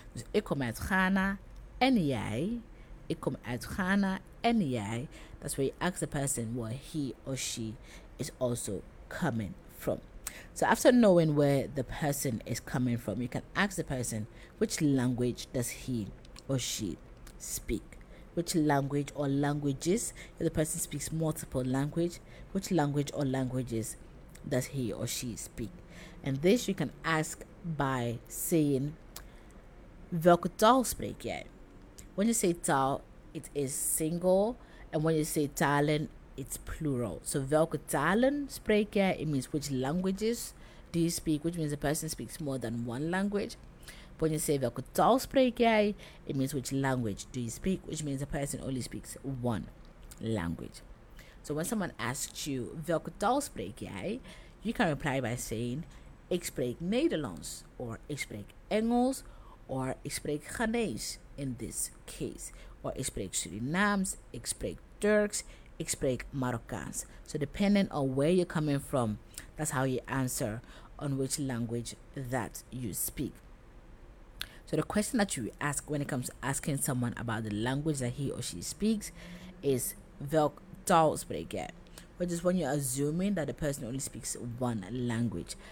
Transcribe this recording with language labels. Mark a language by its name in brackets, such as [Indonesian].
[Dutch] Dus ik kom uit Ghana en jij. Ik kom uit Ghana en jij. [English] That's where you ask the person where he or she is also coming from. So after knowing where the person is coming from, you can ask the person, which language does he or she speak? Which language or languages, if the person speaks multiple language, which language or languages does he or she speak? And this you can ask by saying, [Dutch] welke taal spreek jij? [English] When you say taal, it is single. And when you say talen, it's plural. [Dutch] So welke talen spreek jij? [English] It means which languages do you speak, which means the person speaks more than one language. When you say [Dutch] welke taal spreek jij? [English] It means which language do you speak, which means the person only speaks one language. So when someone asks you, welke taal spreek jij? You can reply by saying, [Dutch] ik spreek Nederlands, [English] or [Dutch] ik spreek Engels, [English] or [Dutch] ik spreek Ghanese [English] in this case. [Dutch] Or ik spreek Surinaams, ik spreek Turks, ik spreek Marokkaans. [English] So depending on where you're coming from, that's how you answer on which language that you speak. So the question that you ask when it comes to asking someone about the language that he or she speaks is, [Dutch] welke taal spreek jij? [English] Which is when you're assuming that the person only speaks one language.